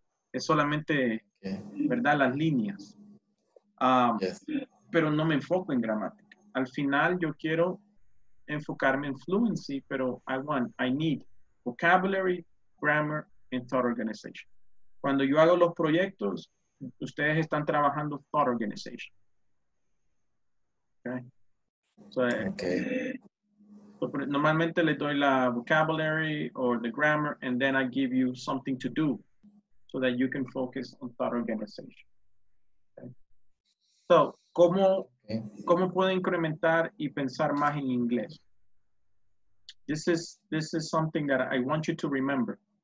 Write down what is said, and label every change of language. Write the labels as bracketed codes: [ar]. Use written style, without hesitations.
[es] Es solamente, ¿verdad? Las líneas. Pero no me enfoco en gramática. Al final, yo quiero enfocarme en fluency, pero [en] I need vocabulary, grammar, and thought organization. [es] Cuando yo hago los proyectos, ustedes están trabajando [en] thought organization. Okay. So, [es] normalmente le doy la [en] vocabulary or the grammar, and then I give you something to do, so that you can focus on thought organization. Okay. [es] So, ¿cómo puedo incrementar y pensar más en inglés? [en] This is something that I want you to remember.